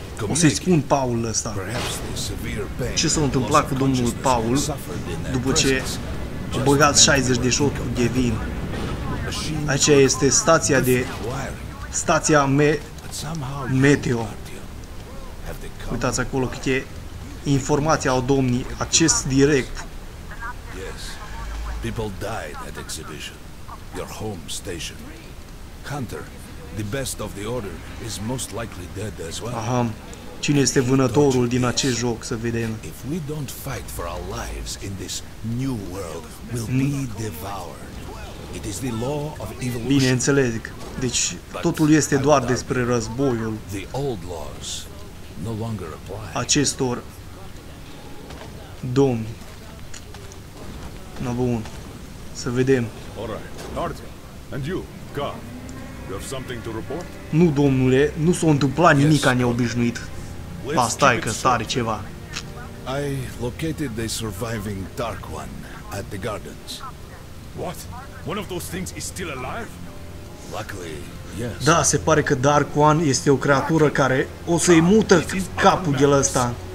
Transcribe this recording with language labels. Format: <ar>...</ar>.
<ro>O să-i spun Paul ăsta. Ce s-a întâmplat cu domnul Paul după ce a băgat 60 de shot cu Gavin? Aici este stația de... stația Meteo. Uitați acolo cât e informația au domnii, acces direct.</ro> <en>People died at exhibition. Your home station. Hunter, the best of the order, is most likely dead as well. Aha.</en> <ro>Cine este vânătorul din acest joc, să vedem.</ro> <en>If we don't fight for our lives in this new world, we'll be devoured. It is the law of evolution.</en> <ro>Bine, înțeleg. Deci totul este doar despre războiul.</ro> <en>The old laws no longer apply.</en> <ro>Acestor domni. No, bun. Să vedem. Nu, domnule, nu s-a întâmplat nimic ca neobișnuit. Ba, stai că stare ceva.</ro> <en>I located a surviving dark one at the gardens. What? One of those things is still alive? Luckily, yes.</en> <ro>Da, se pare că Dark One este o creatură care o să-i mută capul de la ăsta.</ro>